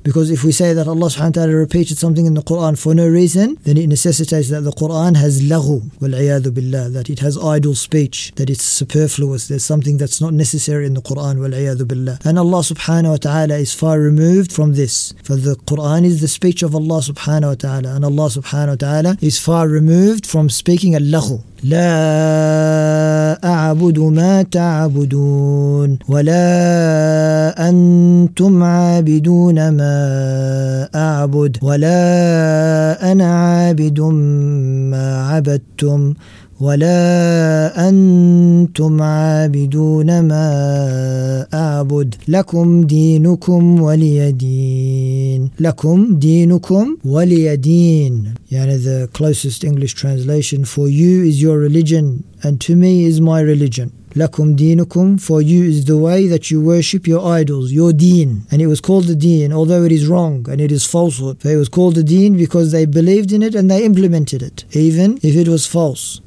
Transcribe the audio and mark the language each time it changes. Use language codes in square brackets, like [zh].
[en] Because if we say that Allah subhanahu wa ta'ala repeated something in the Quran for no reason, then it necessitates that the Quran has laghu, [ar] wal'iyadu billah, [en] that it has idle speech, that it's superfluous, there's something that's not necessary in the Quran, wal'iyadu billah. And Allah subhanahu wa ta'ala is far removed from this. For the Quran is the speech of Allah subhanahu wa ta'ala, and Allah subhanahu wa ta'ala is far removed from speaking al-lahu. [ar] لا أعبد ما تعبدون ولا أنتم عابدون ما أعبد ولا أنا عابد ما عبدتم ولا أنتم عابدون ما أعبد لكم دينكم ولي دين لكم دينكم ولي دين. [en] يعني the closest English translation, for you is your religion and to me is my religion. [ar] لَكُمْ دِينُكُمْ, [en] for you is the way that you worship your idols, your deen. And it was called the deen, although it is wrong and it is falsehood. But it was called the deen because they believed in it and they implemented it, even if it was false.